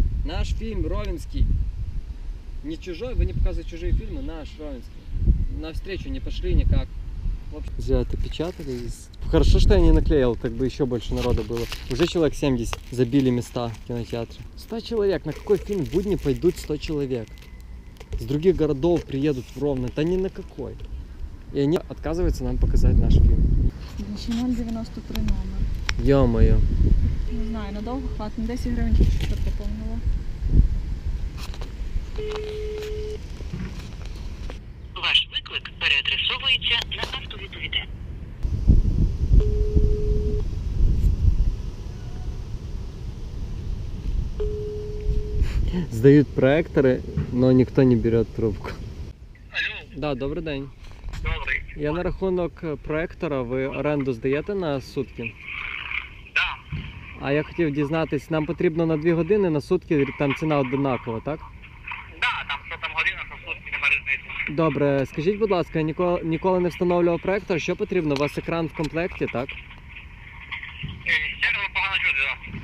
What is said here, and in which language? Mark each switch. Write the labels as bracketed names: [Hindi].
[Ukrainian] Наш фільм Ровенський, [Russian] не чужой, [Ukrainian] ви не показуєте чужі фільми, наш Ровенський. На встречу не пішли ніяк. Взяти, печатали. Хорошо, що я не наклеїв, так би ще більше народу було. Уже чоловік 70 забили міста в кінотеатрі. 100 чоловік, на який фільм в будні пойдуть 100 чоловік? З інших містів приїдуть в Ровно, та ні на який. [Russian] И они отказываются нам показать наш фильм. Почему он 90 при номер? Ё-моё. Не знаю, надолго хватит. 10 гривен чуть-чуть пополнила. [Ukrainian] Ваш выклик переадресовується на автовідповідь. [Russian] Сдают проекторы, но никто не берет трубку. Алло. Да, добрый день. Добрый. [Ukrainian] Я на рахунок проектора, [Russian] вы аренду сдаете на сутки? Да. А я хотел [Ukrainian] дізнатись, нам потрібно на 2 години на сутки, там ціна однакова, так? Да, там що там година, на сутки не різниці. Добре, скажіть, будь ласка, я ніколи не встановлював проектор, що потрібно? У вас екран в комплекті, так? Ще раз погано чути, да.